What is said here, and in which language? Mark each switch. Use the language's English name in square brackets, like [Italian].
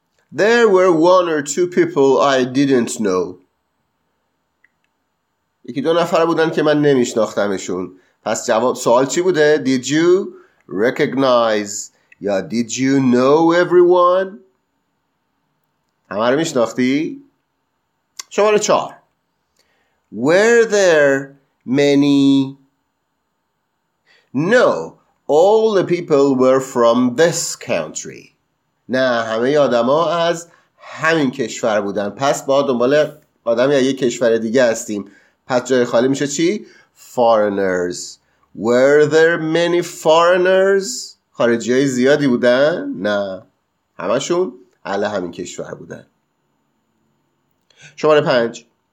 [English] There were one or two people I didn't know. [Persian] یکی دو نفر بودن که من نمیشناختمشون. پس جواب سوال چی بوده؟ [English] Did you recognize [Persian] یا [English] did you know everyone؟ [Persian] همه رو میشناختی؟ شماره 4. [English] Were there many? No, all the people were from this country. [Persian] نه، همه آدم ها از همین کشور بودن. پس با دنبال آدمی از یک کشور دیگه هستیم. پس جای خالی میشه چی؟ Foreigners. [English] Were there many foreigners? [Persian] خارجی های زیادی بودن؟ نه، همشون اهل همین کشور بودن. شماره 5.